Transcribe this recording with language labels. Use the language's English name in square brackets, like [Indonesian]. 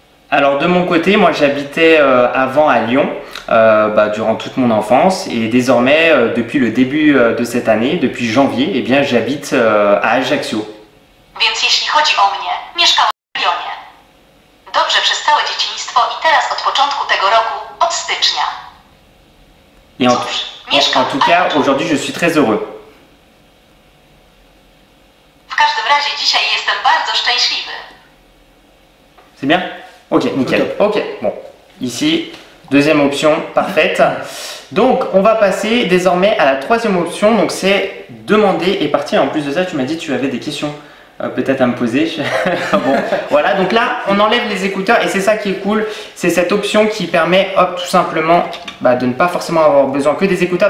[French] Alors, de mon côté, moi, j'habitais avant à Lyon. Durant toute mon enfance et désormais depuis le début de cette année, depuis janvier, eh bien j'habite à Ajaccio. [Polish] Więc jeśli chodzi o mnie, mieszkałem w Lyonie. Dobrze przez całe dzieciństwo i teraz od początku tego roku, od stycznia. [French] En tout cas, aujourd'hui je suis très heureux. [Polish] W każdym razie dzisiaj jestem bardzo szczęśliwy. [French] C'est bien? Ok, nickel. Ok, bon. Ici, deuxième option, parfaite. Donc, on va passer désormais à la troisième option. Donc, c'est demander et partir. En plus de ça, tu m'as dit que tu avais des questions peut-être à me poser. Bon, voilà. Donc là, on enlève les écouteurs et c'est ça qui est cool. C'est cette option qui permet, hop, tout simplement, bah, de ne pas forcément avoir besoin que des écouteurs.